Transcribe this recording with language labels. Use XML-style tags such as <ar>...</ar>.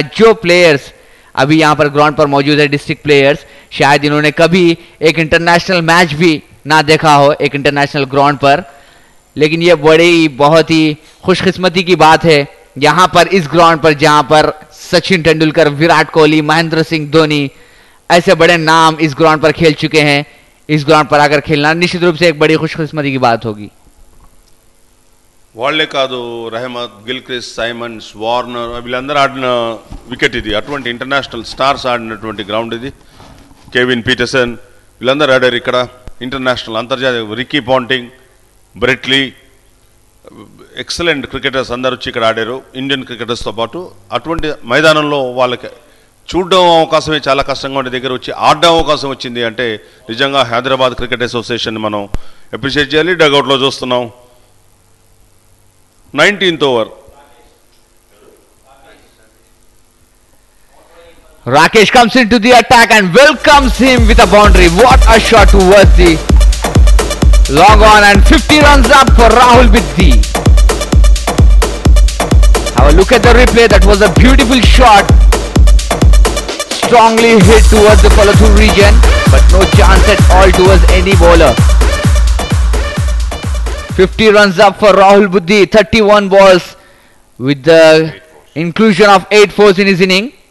<hi>जो प्लेयर्स अभी यहां पर ग्राउंड पर मौजूद है, डिस्ट्रिक्ट प्लेयर्स, शायद इन्होंने कभी एक इंटरनेशनल मैच भी ना देखा हो एक इंटरनेशनल ग्राउंड पर, लेकिन यह बड़ी बहुत ही खुशकिस्मती की बात है यहां पर इस ग्राउंड पर जहां पर सचिन तेंदुलकर, विराट कोहली, महेंद्र सिंह धोनी, ऐसे बड़े नाम इस ग्राउंड पर खेल चुके हैं. इस ग्राउंड पर आकर खेलना निश्चित रूप से एक बड़ी खुशकिस्मती की बात होगी.</hi> <te>వాళ్లే కాదు, రెహమత్, గిల్క్రిస్ట్, సైమన్స్, వార్నర్ వీళ్ళందరూ ఆడిన వికెట్ ఇది. అటువంటి ఇంటర్నేషనల్ స్టార్స్ ఆడినటువంటి గ్రౌండ్ ఇది. కెవిన్ పీటర్సన్ వీళ్ళందరూ ఆడారు ఇక్కడ. ఇంటర్నేషనల్ అంతర్జాతీయ Ricky Ponting, Brett Lee, excellent cricketers అందరూ వచ్చి ఇక్కడ ఆడారు ఇండియన్ క్రికెటర్స్తో పాటు. అటువంటి మైదానంలో వాళ్ళకి చూడడం అవకాశమే చాలా కష్టంగా ఉండే, దగ్గర వచ్చి ఆడడం అవకాశం వచ్చింది అంటే నిజంగా హైదరాబాద్ క్రికెట్ అసోసియేషన్ మనం అప్రిషియేట్ చేయాలి. డగౌట్లో చూస్తున్నాం 19th over</te> <en>Rakesh comes into the attack and welcomes him with a boundary. What a shot towards the long on and 50 runs up for Rahul Buddhi. Look at the replay. That was a beautiful shot. Strongly hit towards the Kolhapur region, but no chance at all towards any bowler. 50 runs up for Rahul Buddhi, 31 balls with the inclusion of 8 fours in his inning.</en>